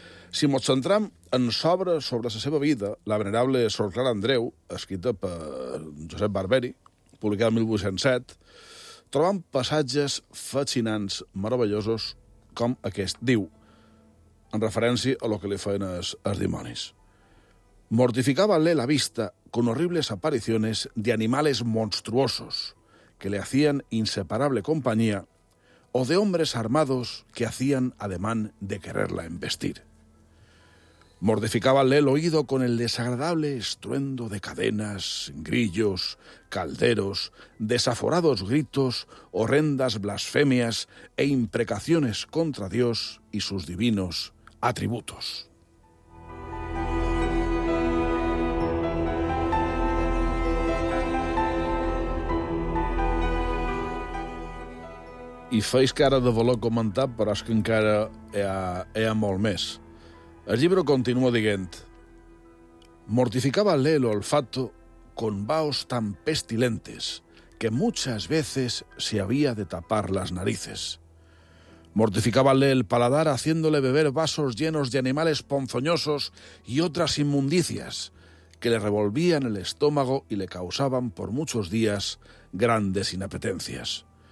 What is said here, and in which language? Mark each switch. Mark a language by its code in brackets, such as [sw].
[ca] Si ens centrem en l'obra sobre la seva vida, la venerable Sor Clara Andreu, escrita per Josep Barberi, publicada en 1807, trobem passatges fascinants, meravellosos, com aquest diu, en referència a lo que li feien els dimonis. [es] Mortificaba-le la vista con horribles apariciones de animales monstruosos que le hacían inseparable compañía o de hombres armados que hacían ademán de quererla embestir. Mortificaba-le el oído con el desagradable estruendo de cadenas, grillos, calderos, desaforados gritos, horrendas blasfemias e imprecaciones contra Dios y sus divinos atributos. [ca] I feis cara de voler comentar, però és que encara hi ha molt més. El llibre continua dient: [es] mortificaba-le el olfato con vaos tan pestilentes que muchas veces se había de tapar las narices. Mortificábale el paladar haciéndole beber vasos llenos de animales ponzoñosos y otras inmundicias que le revolvían el estómago y le causaban por muchos días grandes inapetencias.